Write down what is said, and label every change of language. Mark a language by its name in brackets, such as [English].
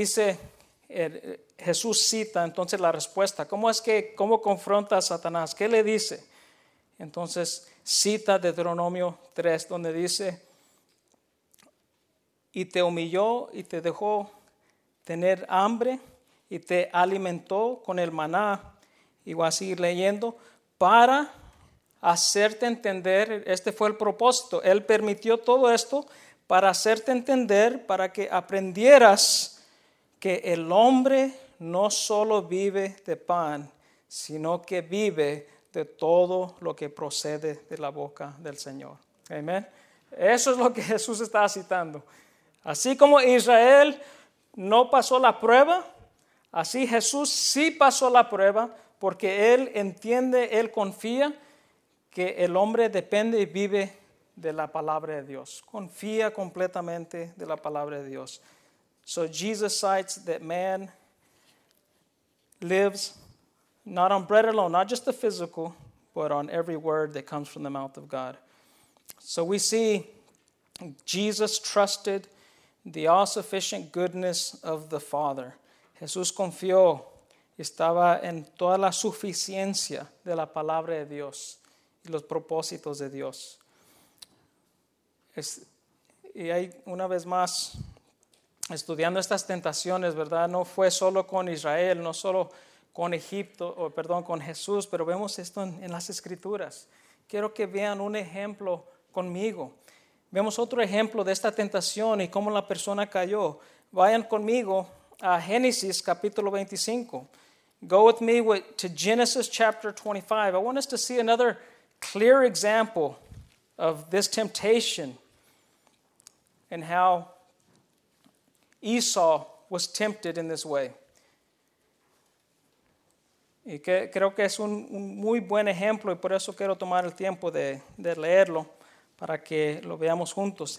[Spanish] Dice, Jesús cita entonces la respuesta. ¿Cómo confronta a Satanás? ¿Qué le dice? Entonces, cita de Deuteronomio 3, donde dice, y te humilló y te dejó tener hambre y te alimentó con el maná. Y voy a seguir leyendo. Para hacerte entender, este fue el propósito. Él permitió todo esto para hacerte entender, para que aprendieras que el hombre no solo vive de pan, sino que vive de todo lo que procede de la boca del Señor. Amén. Eso es lo que Jesús estaba citando. Así como Israel no pasó la prueba, así Jesús sí pasó la prueba, porque él entiende, él confía que el hombre depende y vive de la palabra de Dios. Confía completamente de la palabra de Dios. [English] So Jesus cites that man lives not on bread alone, not just the physical, but on every word that comes from the mouth of God. So we see Jesus trusted the all-sufficient goodness of the Father. [Spanish] Jesús confió, estaba en toda la suficiencia de la palabra de Dios. Los propósitos de Dios. Y hay una vez más, estudiando estas tentaciones, ¿verdad? No fue solo con Israel, no solo con Egipto, o perdón, con Jesús, pero vemos esto en las Escrituras. Quiero que vean un ejemplo conmigo. Vemos otro ejemplo de esta tentación y cómo la persona cayó. Vayan conmigo a Génesis capítulo 25. [English] Go with me to Genesis chapter 25. I want us to see another clear example of this temptation and how Esau was tempted in this way. [Spanish] Y que, creo que es un muy buen ejemplo y por eso quiero tomar el tiempo de leerlo para que lo veamos juntos.